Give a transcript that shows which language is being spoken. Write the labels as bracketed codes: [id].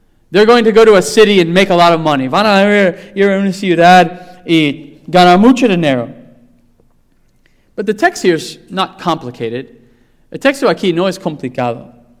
[en] They're going to go to a city and make a lot of money. [es] Van a ir a una ciudad y ganar mucho dinero. [en] But the text here is not complicated. [es] El texto aquí no es complicado.